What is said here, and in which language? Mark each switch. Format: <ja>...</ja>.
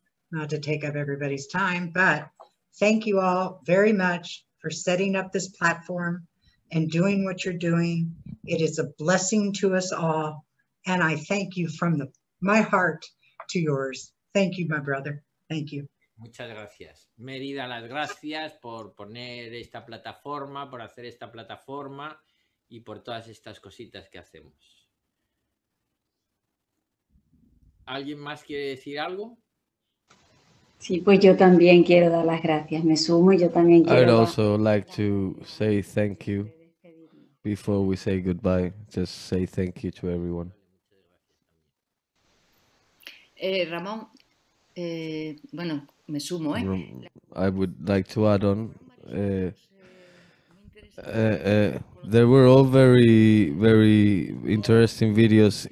<en>Not to take up everybody's time, but thank you all very much for setting up this platform and doing what you're doing. It is a blessing to us all. And I thank you from my heart to yours. Thank you, my brother. Thank you.</en> <es>Muchas gracias. Merida, las gracias por poner esta plataforma, por hacer esta plataforma y por todas estas cositas que hacemos. ¿Alguien más quiere decir algo? Sí, pues yo también quiero dar las gracias. Me sumo y yo también quiero.</es> <en>I would also like to say thank you before we say goodbye, just say thank you to everyone.</en> <es>Ramón, bueno, me sumo, ¿eh?</es> <en>I would like to add on. There were all very, very interesting videos.</en>